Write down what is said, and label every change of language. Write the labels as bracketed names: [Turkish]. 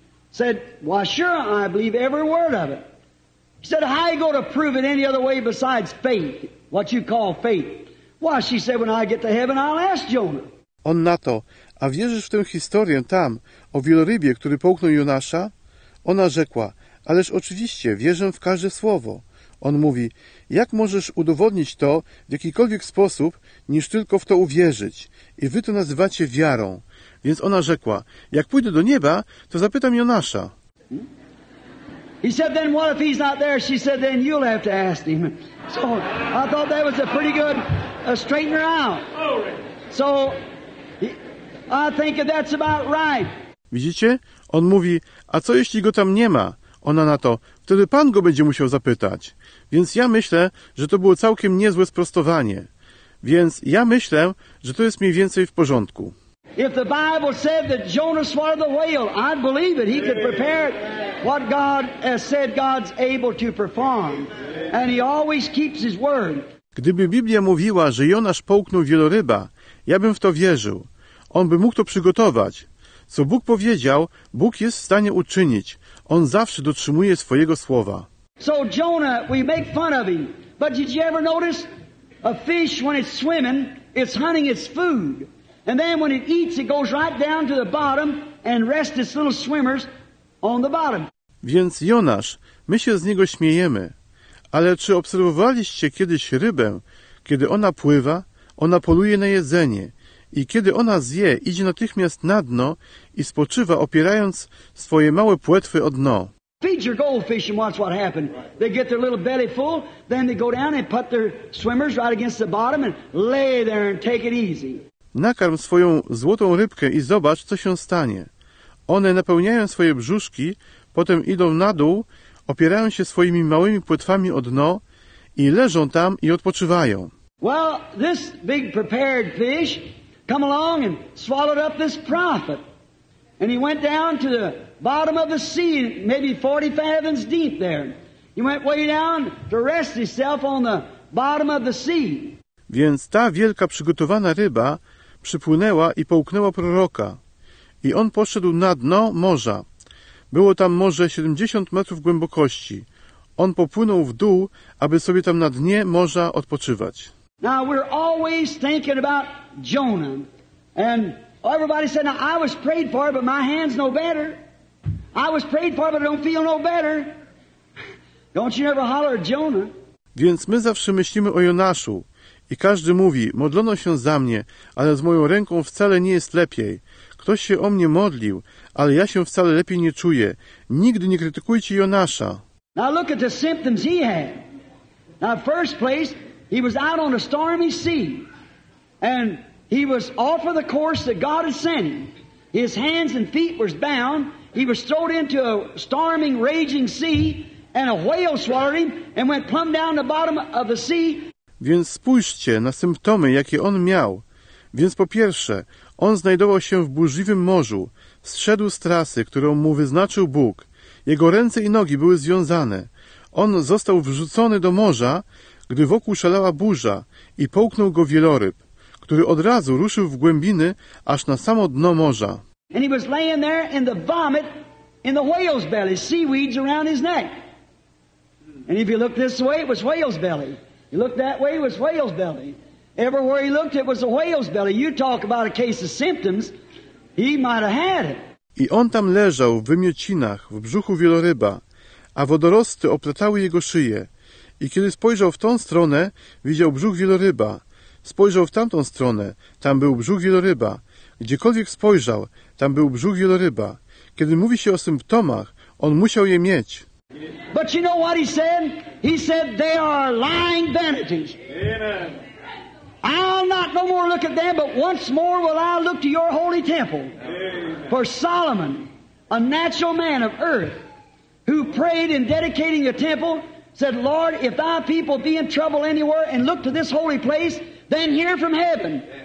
[English] Said, well, sure, I believe every word of it. He said, how are you going to prove it any other way besides faith, what you call faith? Why, she said, when I get to heaven, I'll ask Jonah. [Polish] On na to, a wierzysz w tę historię tam, o wielorybie, który połknął Jonasza? Ona rzekła, ależ oczywiście, wierzę w każde słowo. On mówi, jak możesz udowodnić to w jakikolwiek sposób, niż tylko w to uwierzyć? I wy to nazywacie wiarą. Więc ona rzekła, jak pójdę do nieba, to zapytam Jonasza. [English] He said, then what if he's not there? She said, then you'll have to ask him. So I thought that was a pretty good straightener out. So I think that's about right. [Polish] Widzicie? On mówi, a co jeśli go tam nie ma? Ona na to, wtedy pan go będzie musiał zapytać. Więc ja myślę, że to było całkiem niezłe sprostowanie. Więc ja myślę, że to jest mniej więcej w porządku. [English] If the Bible said that Jonah swallowed the whale, I'd believe it. He could prepare it. What God has said, God's able to perform. And he always keeps his word. [Polish] Gdyby Biblia mówiła, że Jonasz połknął wieloryba, ja bym w to wierzył. On by mógł to przygotować. Co Bóg powiedział, Bóg jest w stanie uczynić. On zawsze dotrzymuje swojego słowa. [English] So Jonah, we make fun of him. But did you ever notice a fish when it's swimming, it's hunting its food. And then when it eats, it goes right down to the bottom and rests its little swimmers on the bottom. [Polish] Więc Jonasz, my się z niego śmiejemy. Ale czy obserwowaliście kiedyś rybę, kiedy ona pływa, ona poluje na jedzenie. I kiedy ona zje, idzie natychmiast na dno i spoczywa, opierając swoje małe płetwy o dno. [English] Feed your goldfish and watch what happened. They get their little belly full, then they go down and put their swimmers right against the bottom and lay there and take it easy. [Polish] Nakarm swoją złotą rybkę i zobacz, co się stanie. One napełniają swoje brzuszki, potem idą na dół, opierają się swoimi małymi płetwami o dno i leżą tam i odpoczywają. [English] Well, this big prepared fish come along and swallowed up this prophet. And he went down to the bottom of the sea, maybe 40 fathoms deep there. He went way down to rest himself on the bottom of the sea. [Polish] Więc ta wielka przygotowana ryba przypłynęła i połknęła proroka. I on poszedł na dno morza. Było tam może 70 metrów głębokości. On popłynął w dół, aby sobie tam na dnie morza odpoczywać. [English] Now we're always thinking about Jonah. And everybody said, now I was prayed for, but my hand's no better. I was prayed for, but I don't feel no better. Don't you ever holler at Jonah. [Polish] Więc my zawsze myślimy o Jonaszu. I każdy mówi, modlono się za mnie, ale z moją ręką wcale nie jest lepiej. Ktoś się o mnie modlił, ale ja się wcale lepiej nie czuję. Nigdy nie krytykujcie Jonasza. [English] Now look at the symptoms he had. Now first place, he was out on a stormy sea. And he was off of the course that God had sent him. His hands and feet were bound. He was thrown into a storming, raging sea. And a whale swallowed him and went plumb down the bottom of the sea. [Polish] Więc spójrzcie na symptomy, jakie on miał. Więc po pierwsze, on znajdował się w burzliwym morzu, zszedł z trasy, którą mu wyznaczył Bóg. Jego ręce i nogi były związane. On został wrzucony do morza, gdy wokół szalała burza i połknął go wieloryb, który od razu ruszył w głębiny, aż na samo dno morza. [English] And he was laying there in the vomit in the whale's belly, seaweeds around his neck. And if you look this way, it was whale's belly. You look that way, it was whale's belly. Everywhere he looked, it was a whale's belly. You talk about a case of symptoms, he might have had it. [Polish] I on tam leżał w wymiocinach, w brzuchu wieloryba, a wodorosty oplatały jego szyję. I kiedy spojrzał w tą stronę, widział brzuch wieloryba. Spojrzał w tamtą stronę, tam był brzuch wieloryba. Gdziekolwiek spojrzał, tam był brzuch wieloryba. Kiedy mówi się o symptomach, on musiał je mieć. [English] But you know what he said? He said, they are lying vanities. Amen. I'll not no more look at them, but once more will I look to your holy temple. Amen. For Solomon, a natural man of earth, who prayed in dedicating a temple, said, Lord, if thy people be in trouble anywhere and look to this holy place, then hear from heaven.